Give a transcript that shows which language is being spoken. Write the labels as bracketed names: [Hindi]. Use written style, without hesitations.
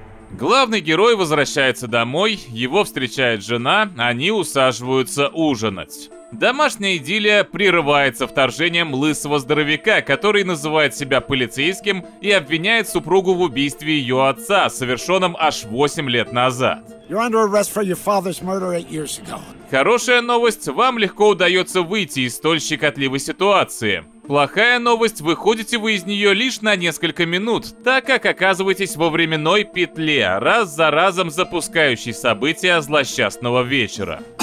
[Russian] Главный герой возвращается домой, его встречает жена, они усаживаются ужинать. Домашняя идиллия прерывается вторжением лысого здоровяка, который называет себя полицейским и обвиняет супругу в убийстве ее отца, совершенном аж 8 лет назад. [English] You're under arrest for your father's murder 8 years ago. [Russian] Хорошая новость, вам легко удается выйти из столь щекотливой ситуации. Плохая новость, выходите вы из нее лишь на несколько минут, так как оказываетесь во временной петле, раз за разом запускающей события злосчастного вечера.